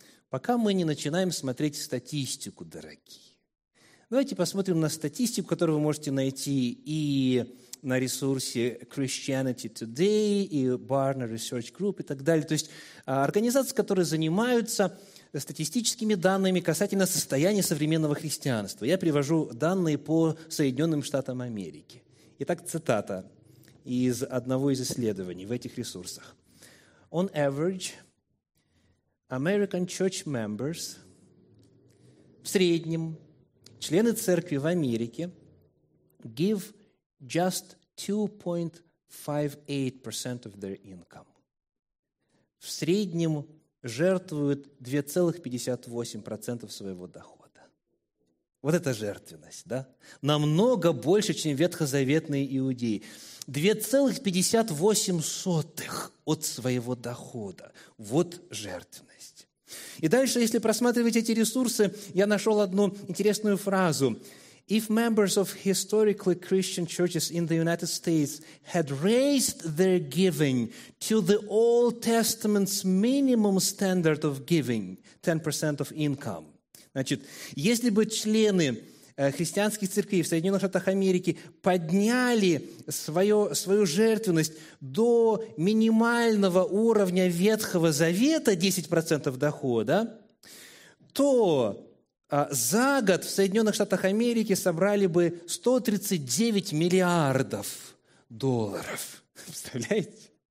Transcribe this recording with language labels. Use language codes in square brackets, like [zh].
[ru] пока мы не начинаем смотреть статистику, дорогие. Давайте посмотрим на статистику, которую вы можете найти и на ресурсе Christianity Today, и Barna Research Group, и так далее. То есть организации, которые занимаются статистическими данными касательно состояния современного христианства. Я привожу данные по Соединенным Штатам Америки. Итак, цитата из одного из исследований в этих ресурсах. [en] On average, American church members, [ru] в среднем, члены церкви в Америке [en] give just 2.58% of their income. [ru] В среднем жертвуют 2,58% своего дохода. Вот это жертвенность, да? Намного больше, чем ветхозаветные иудеи. 2,58 от своего дохода. Вот жертвенность. И дальше, если просматривать эти ресурсы, я нашел одну интересную фразу. [en] If members of historically Christian churches in the United States had raised their giving to the Old Testament's minimum standard of giving, 10% of income. [ru] Значит, если бы члены христианских церквей в Соединенных Штатах Америки подняли свою жертвенность до минимального уровня Ветхого Завета, 10% дохода, то за год в Соединенных Штатах Америки собрали бы 139 миллиардов долларов. Представляете?